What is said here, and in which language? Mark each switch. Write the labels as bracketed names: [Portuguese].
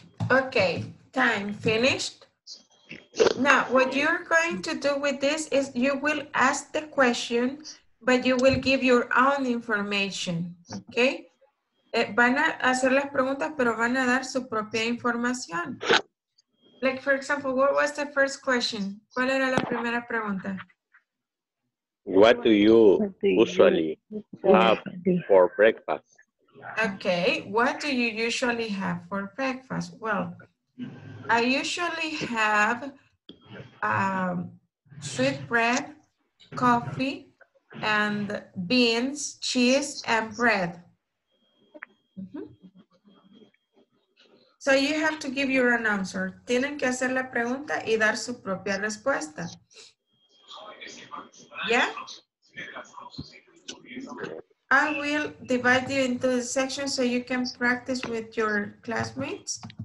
[English] Okay, time finished. Now, what you're going to do with this is you will ask the question, but you will give your own information, okay? [Spanish] Van a hacer las preguntas, pero van a dar su propia información. [English] Like, for example, what was the first question? [Spanish] ¿Cuál era la primera pregunta? [English] What do you usually have for breakfast? Okay, what do you usually have for breakfast? Well, I usually have sweet bread, coffee, and beans, cheese, and bread. So you have to give your own answer. [Spanish] Tienen que hacer la pregunta y dar su propia respuesta. [English] Yeah? I will divide you into the sections so you can practice with your classmates.